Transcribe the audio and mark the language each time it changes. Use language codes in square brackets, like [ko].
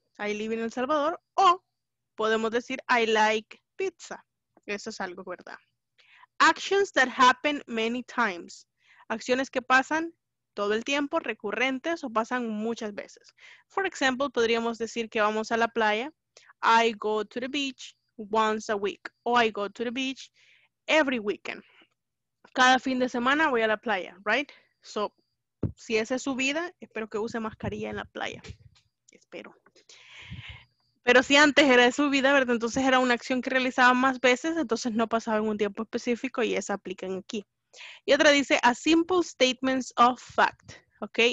[en] I live in El Salvador. [es] O podemos decir [en] I like pizza. [es] Eso es algo verdad. [en] Actions that happen many times. [es] Acciones que pasan todo el tiempo, recurrentes o pasan muchas veces. [en] For example, [es] podríamos decir que vamos a la playa. [en] I go to the beach once a week. O I go to the beach every weekend. [es] Cada fin de semana voy a la playa, right? So, si esa es su vida, espero que use mascarilla en la playa. Espero. Pero si antes era de su vida, ¿verdad? Entonces era una acción que realizaba más veces, entonces no pasaba en un tiempo específico y esa aplican aquí. Y otra dice, [en] a simple statements of fact, ¿ok?